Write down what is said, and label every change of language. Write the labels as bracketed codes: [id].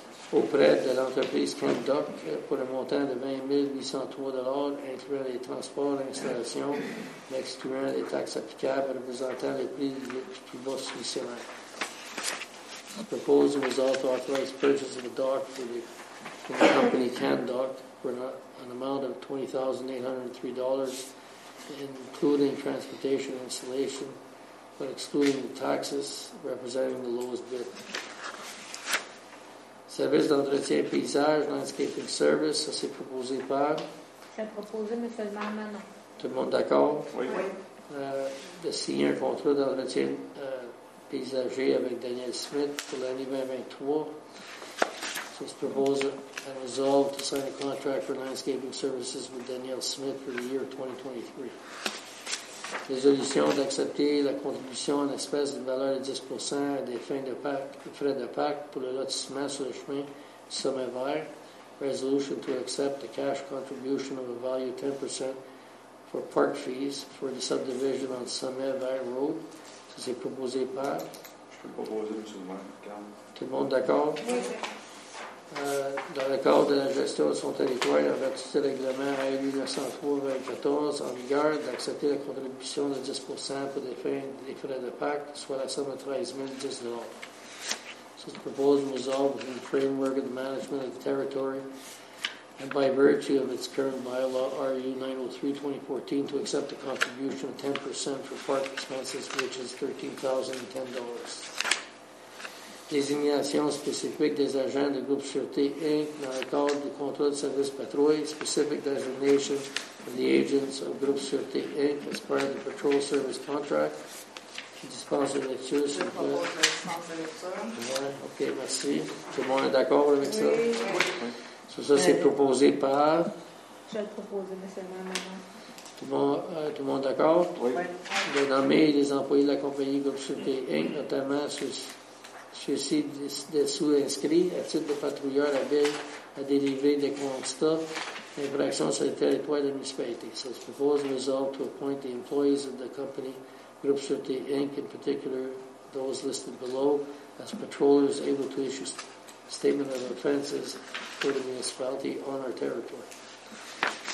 [fr] auprès de l'entreprise Camp Doc pour un montant de $20,803, incluant les transports, l'installation, excluant les taxes applicables, représentant le prix du plus bas soumissionnaire. [en] I propose the result to authorize purchase of a dock for the company Camp Doc for an amount of $20,803, including transportation and installation, but excluding the taxes, representing the lowest bid. [fr] Service d'entretien paysage, [en] landscaping service, [fr] ça c'est proposé par? C'est proposé, M. le maire, maintenant. Tout le monde d'accord? Oui. De signer un contrat d'entretien paysager avec Daniel Smith pour l'année 2023. Ça se propose à [en] resolve to sign a contract for landscaping services with Daniel Smith for the year 2023. [fr] Résolution d'accepter la contribution en espèces d'une valeur de 10% à des fins de PAC, des frais de PAC pour le lotissement sur le chemin du sommet vert. [en] Resolution to accept the cash contribution of a value 10% for park fees for the subdivision on Sommet Vert Road. [fr] Ça, c'est proposé par? Je peux proposer, M. le maire. Tout le monde d'accord? Oui. Dans le cadre de la gestion de son territoire, en vertu du règlement AU 1903-2014, en vigueur, d'accepter la contribution de 10% pour des frais de PAC, soit la somme de $13,010. [en] So the proposed resolve within the framework of the management of the territory and by virtue of its current bylaw, RU 903-2014, to accept a contribution of 10% for park expenses, which is $13,010. [fr] désignation spécifique des agents de groupe sûreté Inc. dans le cadre du contrat de service patrouille, [en] specific designation of the agents of group sûreté Inc. as part of the patrol service contract. [fr] Je dispense de lecture, s'il vous plaît. Je propose de lecture. Ouais, ok, merci. Tout le monde est d'accord avec ça? Oui. Oui. Ça, ça c'est proposé par... Je le propose, mais c'est même maintenant. Tout le monde d'accord? Oui. De nommer les employés de la compagnie Groupe Sûreté Inc., notamment ceux-ci des sous-inscrits, à titre de patrouilleur habile à délivrer des constats d'infraction sur le territoire de la municipalité. [en] So, it's proposed to resolve to appoint the employees of the company Groupe Sûreté Inc., in particular those listed below, as patrollers able to issue statement of offenses for the municipality on our territory.